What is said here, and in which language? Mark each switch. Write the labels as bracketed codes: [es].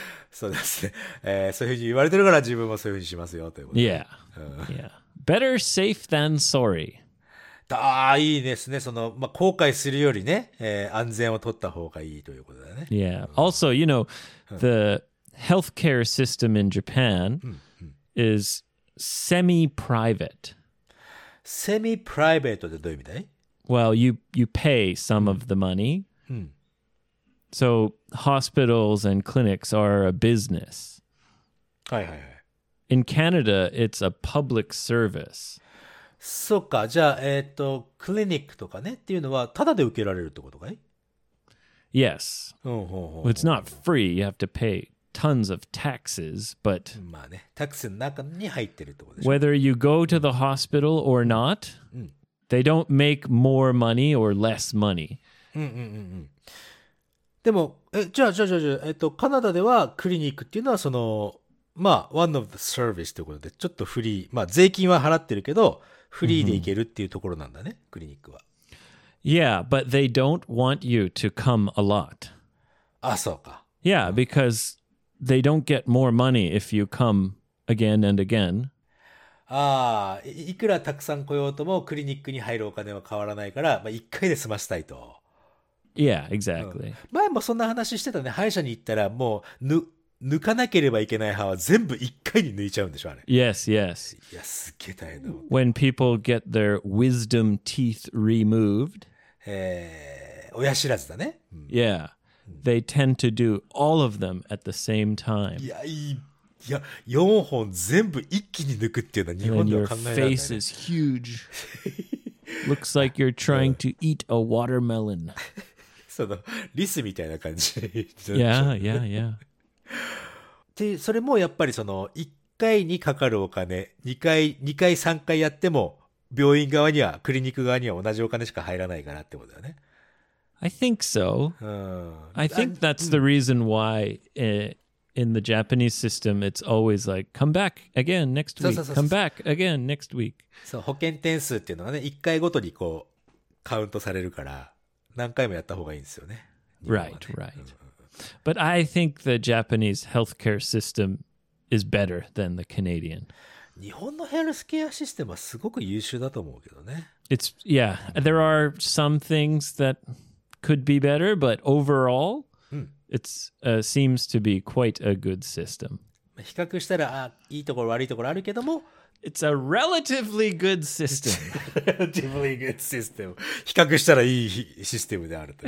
[ja] そうですね、そういうふうに言われてるから自分もそういうふうにしますよということで。 [en] Yeah. Yeah. Better safe than sorry. [ja] あ、いいですね。その、まあ、後悔するよりね、安全を取った方がいいということだね。 [en] Yeah. Also, you know, the healthcare system in Japan is semi-private. [ja] Semi-private ってどういう意味だい？ [en] Well, you pay some of the money. So, hospitals and clinics are a business. [ja] はいはいはい。 [en] In Canada, it's a public service. [ja] そっか、じゃあ、クリニックとかねっていうのは、ただで受けられるってことかい？ [en] Yes. It's not free. You have to pay tons of taxes, but... [ja] まあね、タクスの中に入ってるってことでしょ。 [en] Whether you go to the hospital or not, they don't make more money or less money. [ja] でも、じゃあ、カナダではクリニックっていうのはその、まあ、 [en] one of the service [ja] ということで、ちょっとフリー、まあ、税金は払ってるけど、フリーで行けるっていうところなんだね、クリニックは。 [en] Yeah, but they don't want you to come a lot. [ja] あ、そうか。 [en] Yeah, because they don't get more money if you come again and again. [ja] ああ、いくらたくさん来ようとも、クリニックに入るお金は変わらないから、まあ、1回で済ましたいと。 [en] Yeah, exactly. [ja] 前もそんな話してたね。歯医者に行ったらもう抜かなければいけない歯は全部一回に抜いちゃうんでしょあれ。 [en] Yes, yes. [ja] いや、すげえ大変だ。 [en] When people get their wisdom teeth removed, [ja] 親知らずだね。 [en] Yeah, they tend to do all of them at the same time. [ja] いや、四本全部一気に抜くっていうのは日本では考えられない。 [en] And your face is huge. Looks like you're trying to eat a watermelon. [ja] そのリスみたいな感じ。 [en] Yeah, yeah, yeah. [ja] でそれもやっぱりその1回にかかるお金、2回3回やっても病院側にはクリニック側には同じお金しか入らないからってことだよね。 [en] I think so. I think that's the reason why in the Japanese system it's always like come back again next week. Come back again next week. [ja] そう、保険点数っていうのがね、1回ごとにこうカウントされるから何回もやった方がいいんですよね。 [en] Right, right. But I think the Japanese healthcare system is better than the Canadian. [ja] 日本のヘルスケアシステムはすごく優秀だと思うけどね。 [en] It's, yeah, there are some things that could be better, but overall, it's, seems to be quite a good system. [ja] 比較したら、あ、いいところ悪いところあるけども、 [en] It's a relatively good system. relatively good system. [ja] 比較したらいいシステムであると。